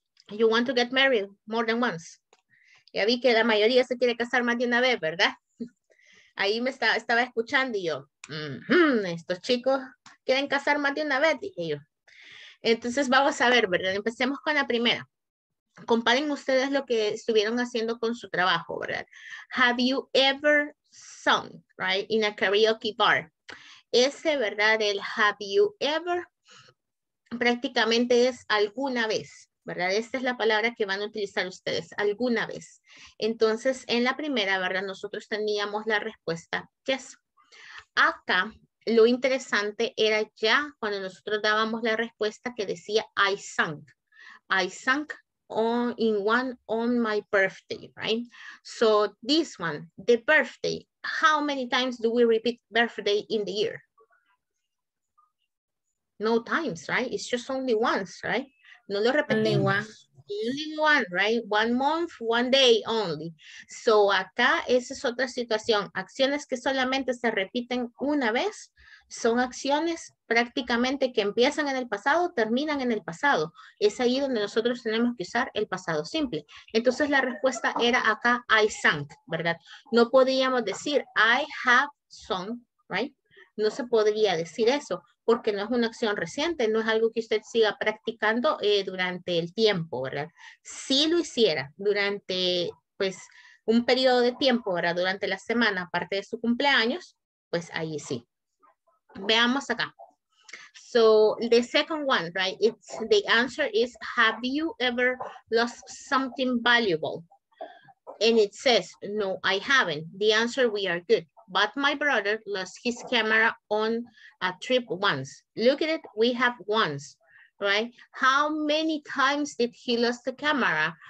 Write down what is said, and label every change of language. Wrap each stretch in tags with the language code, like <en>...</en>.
<en>You want to get married more than once.</en> <es>Ya vi que la mayoría se quiere casar más de una vez, ¿verdad? Ahí me estaba escuchando y yo, estos chicos quieren casar más de una vez, dije yo. Entonces vamos a ver, ¿verdad? Empecemos con la primera. Comparen ustedes lo que estuvieron haciendo con su trabajo, ¿verdad?</es> <en>Have you ever sung, right, in a karaoke bar?</en> <es>Ese, ¿verdad? El</es> <en>have you ever,</en> <es>prácticamente es alguna vez, ¿verdad? Esta es la palabra que van a utilizar ustedes, alguna vez. Entonces, en la primera, ¿verdad? Nosotros teníamos la respuesta, yes. Acá, lo interesante era ya cuando nosotros dábamos la respuesta que decía,</es> <en>I sunk on, in one on my birthday, right? So, this one, the birthday, how many times do we repeat birthday in the year? No times, right? It's just only once, right?</en> <es>No lo repiten</es> <en>once. Only one, right? One month, one day only. So</en> <es>acá, esa es otra situación. Acciones que solamente se repiten una vez son acciones prácticamente que empiezan en el pasado, terminan en el pasado. Es ahí donde nosotros tenemos que usar el pasado simple. Entonces la respuesta era acá,</es> <en>I sunk,</en> <es>¿verdad? No podíamos decir,</es> <en>I have sunk, right?</en> <es>No se podría decir eso, porque no es una acción reciente, no es algo que usted siga practicando durante el tiempo, ¿verdad? Si lo hiciera durante pues, un periodo de tiempo, ¿verdad? Durante la semana, aparte de su cumpleaños, pues ahí sí. Veamos acá.</es> <en>So, the second one, right? It's, the answer is, have you ever lost something valuable? And it says, no, I haven't. The answer, we are good. But my brother lost his camera on a trip once. Look at it, we have once, right? How many times did he lose the camera?</en>